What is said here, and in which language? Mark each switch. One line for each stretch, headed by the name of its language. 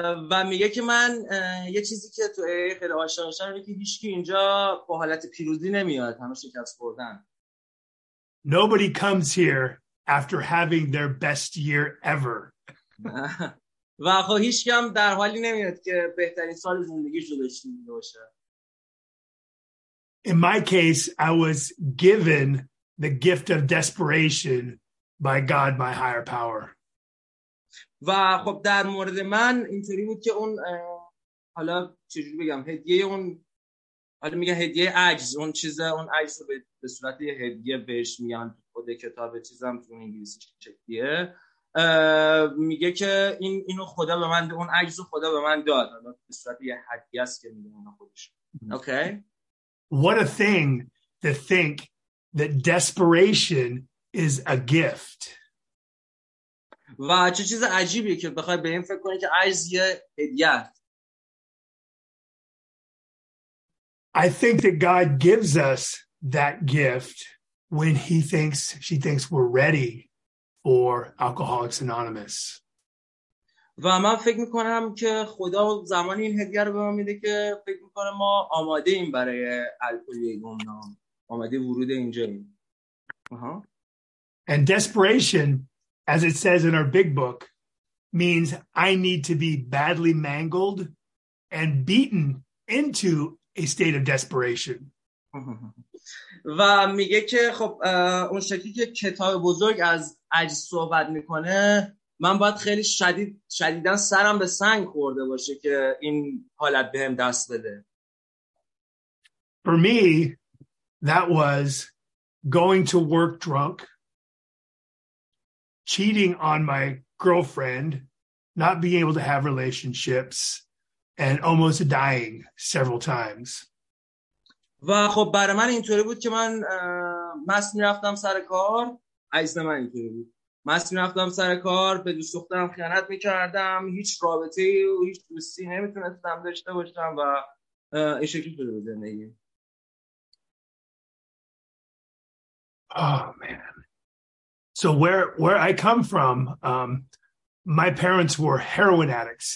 Persian: و میگه که من یه چیزی که تو AA خیلی عاشق شدم اینه که هیچکی اینجا با حالت پیروزی نمیاد، همه شکست خوردن.
English: Nobody comes here after having their best year ever.
Persian: و خب هیچکی هم در حالی نمیاد که بهترین سال زندگیش رو داشته باشه.
English: In my case, I was given the gift of desperation by God, by higher power.
Persian: و خب در مورد من اینطوری بود که اون حالا چجوری بگم هدیه اون حالا میگه هدیه عجز اون چیزه اون عجز رو به صورت یه هدیه بهش میگن خود کتاب چیزم تو انگلیسی چکیه میگه که این اینو خدا به من اون عجز خدا به من داد حالا به صورت یه هدیه است که میگه اون خودش اوکی.
English: What a thing to think that desperation is a gift.
Persian: و چه چیز عجیبی که بخوای به این فکر کنی که عجز یه هدیه است.
English: I think that God gives us that gift when he thinks, she thinks we're ready for Alcoholics Anonymous.
Persian: و من فکر میکنم که خدا زمانی این هدیه رو به ما میده که فکر میکنم ما آماده ایم برای الکلی گمنام آماده ورود اینجا ایم.
English: And desperation, as it says in our big book, means I need to be badly mangled and beaten into a state of desperation.
Persian: و میگه که خب اون شکلی که کتاب بزرگ از عجز صحبت میکنه من باید خیلی شدیداً سرم به سنگ خورده باشه که این حالت بهم دست بده.
English: For me, that was going to work drunk, cheating on my girlfriend, not being able to have relationships, and almost dying several times.
Persian: و خب برای من اینطوری بود که من مست می‌رفتم سر کار، عجزه من اینطوری بود. مست می‌رفتم سر کار، به دوست دخترم خیانت می‌کردم، هیچ رابطه‌ای و هیچ دوستی نمی‌تونستم داشته باشم و این شکلی شده بود زندگی.
English: Oh man. So where I come from, my parents were heroin addicts.